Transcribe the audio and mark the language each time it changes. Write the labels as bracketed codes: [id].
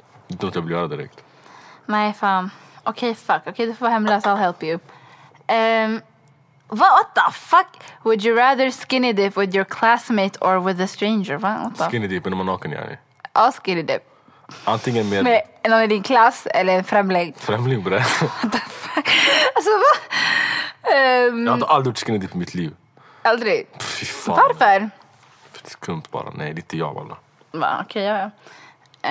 [sv] Det är inte jag vill göra direkt. Nej fan. Okej, okay, fuck. Okej, okay, du får vara hemlös. [en] I'll help you. What the fuck? Would you rather skinny dip with your classmate or with a stranger? [sv] Skinny dip, men om man naken gör det. Ja, skinny dip. Antingen med... med någon i din klass eller en främling. Främling, bror. [en] What the fuck? [sv] Alltså, vad? Jag har aldrig gjort skinny dip i mitt liv. Aldrig? Fy fan. Varför? För det är skumt bara. Nej, det är inte jag, valla. Va, okej, okay, ja.